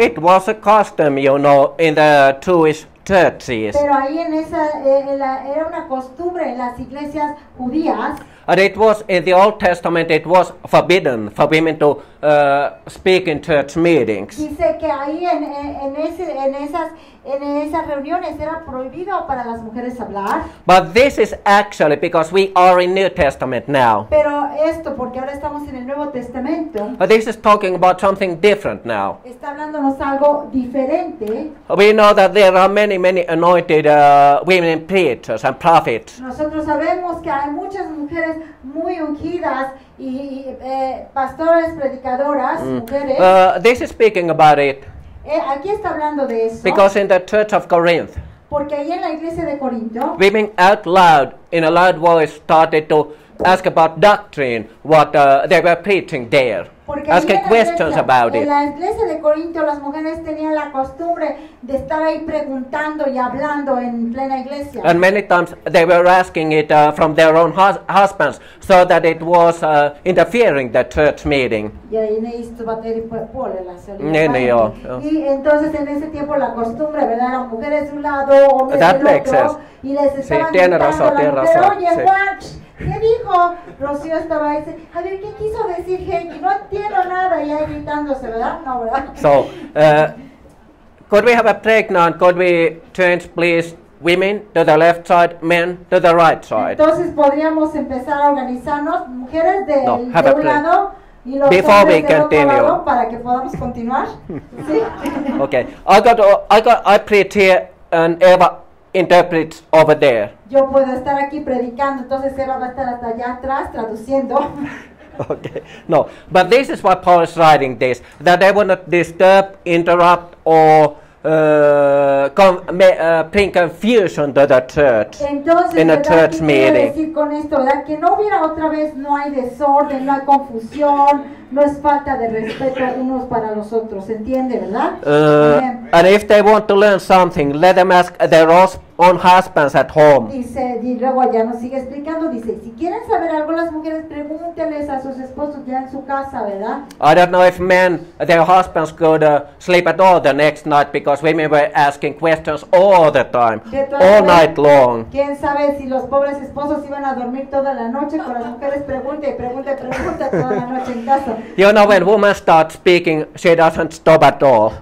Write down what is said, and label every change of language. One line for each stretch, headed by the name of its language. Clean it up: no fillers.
English: It was a custom, you know, in the Jewish churches.
Spanish: Pero ahí en esa era una costumbre en las iglesias judías.
English: And it was in the Old Testament, it was forbidden for women to speak in church meetings.
Spanish: Dice que ahí en esas reuniones era prohibido para las mujeres hablar.
English: But this is actually because we are in New Testament now.
Spanish: Pero esto porque ahora estamos en el Nuevo Testamento.
English: But this is talking about something different now.
Spanish: Está hablándonos algo diferente.
English: We know that there are many, many anointed women preachers and prophets.
Spanish: Nosotros sabemos que hay muchas mujeres muy ungidas y pastores, predicadoras, mujeres.
English: This is speaking about it.
Spanish: Aquí está hablando de eso.
English: Because in the church of Corinth,
Spanish: porque ahí en la iglesia de Corinto,
English: women out loud, in a loud voice, started to ask about doctrine, what they were preaching there, asking questions about it.
Spanish: En la iglesia de Corinto, las mujeres tenían la costumbre de estar ahí preguntando y hablando en plena iglesia. And many times they were asking it from their own husbands, so that it was interfering the church meeting. Entonces en ese tiempo la costumbre, ¿verdad? Las mujeres de un lado, hombres del otro, y les estaban gritando a las mujeres, oye, watch. ¿Qué dijo? Rocío estaba ahí, dice, a ver, ¿qué quiso decir Heidi? No entiendo nada, y ahí gritándose, ¿verdad? No, ¿verdad?
English: So, could we have a pregnant? Could we change, please, women to the left side, men to the right side?
Spanish: Entonces, ¿podríamos empezar a organizarnos, mujeres del, no, de un plan. Lado?
English: Before we continue,
Spanish: para que podamos continuar. ¿Sí?
English: Okay, I preach here and Eva interprets over there.
Spanish: Yo puedo estar aquí predicando, entonces Eva va a estar hasta allá atrás traduciendo.
English: Okay, no, but this is what Paul is writing this, that they will not disturb, interrupt, or bring confusion to the church.
Spanish: Entonces,
English: in a church meeting.
Spanish: Decir con esto, ¿verdad? Que no hubiera otra vez, no hay desorden, no hay confusión, no es falta de respeto unos para los otros, ¿entiende, verdad?
English: And if they want to learn something, let them ask their own husbands at home.
Spanish: Dice, y luego ya nos sigue explicando, dice, si quieren saber algo las mujeres, pregúnteles a sus esposos ya en su casa, ¿verdad?
English: I don't know if men, their husbands could sleep at all the next night because women were asking questions all the time, all night long.
Spanish: ¿Quién sabe si los pobres esposos iban a dormir toda la noche con las mujeres, pregunte toda la noche en casa?
English: You know, when women start speaking, she doesn't stop at all.